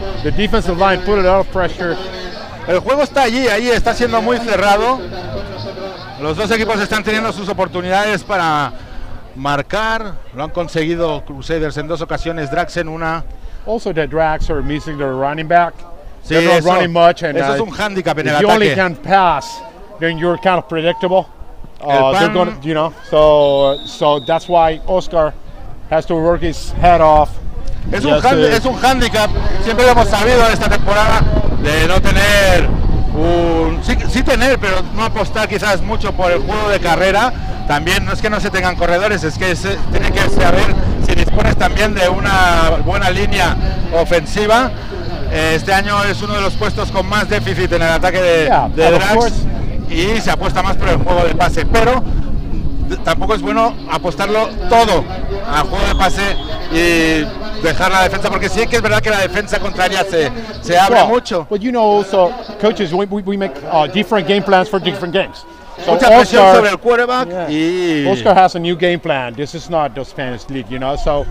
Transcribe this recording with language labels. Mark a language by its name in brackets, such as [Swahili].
[English] The defensive line put a lot of pressure. [Spanish] El juego está allí, ahí está siendo muy cerrado. Los dos equipos están teniendo sus oportunidades para marcar. Lo han conseguido Crusaders en dos ocasiones, Drax en una. [English] Also the Drax are missing their running back. [Spanish] Sí, [English] they're not running much. And, [Spanish] eso es un handicap en el ataque. [English] If you only can pass, then you're kind of predictable. They're gonna, you know, so that's why Oscar has to work his head off. [Spanish] Es un handicap, siempre lo hemos sabido en esta temporada, de no tener un... Sí tener, pero no apostar quizás mucho por el juego de carrera. También no es que no se tengan corredores, es que tiene que saber si dispones también de una buena línea ofensiva. Este año es uno de los puestos con más déficit en el ataque de Drax y se apuesta más por el juego de pase, pero tampoco es bueno apostarlo todo al juego de pase y dejar la defensa, porque sí que es verdad que la defensa contraria se abre mucho. [English] But you know, also coaches, we make different game plans for different games. [Spanish] So mucha presión sobre el quarterback. Y [English] Oscar has a new game plan. This is not the Spanish league, you know. So